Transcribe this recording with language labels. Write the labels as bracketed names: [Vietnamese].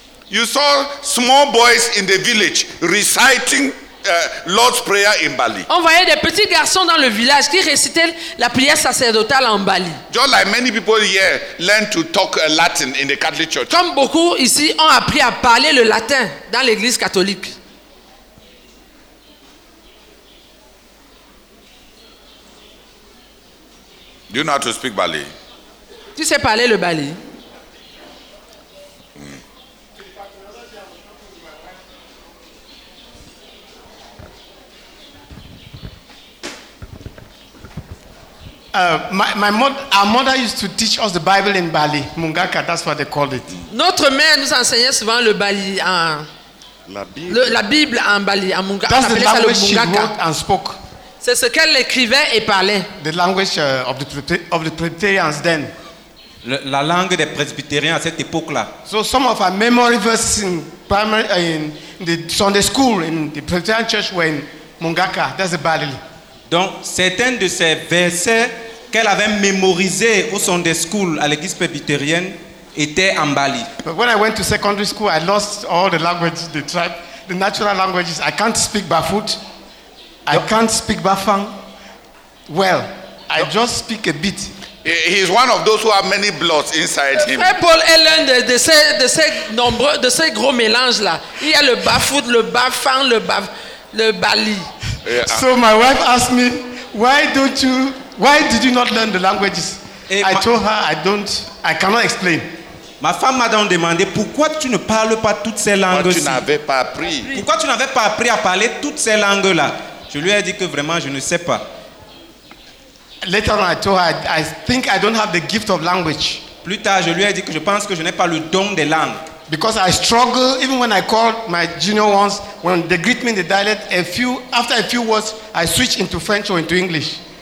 [English] You saw small boys in the village reciting Lord's Prayer in Bali. [French] On voyait des petits garçons dans le village qui récitaient la prière sacerdotale en Bali. [English] Just like many people here learn to talk Latin in the Catholic Church. [French] Comme beaucoup ici ont appris à parler le latin dans l'église catholique. [English] Do you know how to speak Bali? [French] Tu sais parler le Bali? [English] Our mother used to teach us the Bible in Bali. Mungaka, that's what they called it. [French] Notre mère nous enseignait souvent le Bali en la Bible en Bali en Mungaka. [English] That's the language she wrote and spoke. [French] C'est ce qu'elle écrivait et parlait. [English] The language of the Presbyterians then. [French] La langue des presbytériens à cette époque-là. [English] So some of our memory verses in primary in the Sunday school in the Presbyterian church were in Mungaka. That's the Bali. [French] Donc, certains de ces versets qu'elle avait mémorisés au Sunday School à l'église presbytérienne étaient en Bali. [English] But when I went to secondary school, I lost all the languages, the tribe, the natural languages. I can't speak Bafut. I can't speak Bafang. Well, I just speak a bit. He's one of those who have many bloods inside him. [French] Frère Paul est l'un de ces gros mélanges là. Il y a le Bafut, le Bafang, le Bali. Yeah. [English] So my wife asked me, why did you not learn the languages? I told her I cannot explain. [French] Ma femme m'a demandé pourquoi tu ne parles pas toutes ces langues-ci. Pourquoi tu n'avais pas appris à parler toutes ces langues-là? Je lui ai dit que vraiment je ne sais pas. [English] Later on I told her I think I don't have the gift of language. [French] Plus tard, je lui ai dit que je pense que je n'ai pas le don des langues. [English] Because I struggle, even when I call my junior ones, when they greet me in the dialect, after a few words, I switch into French or into English.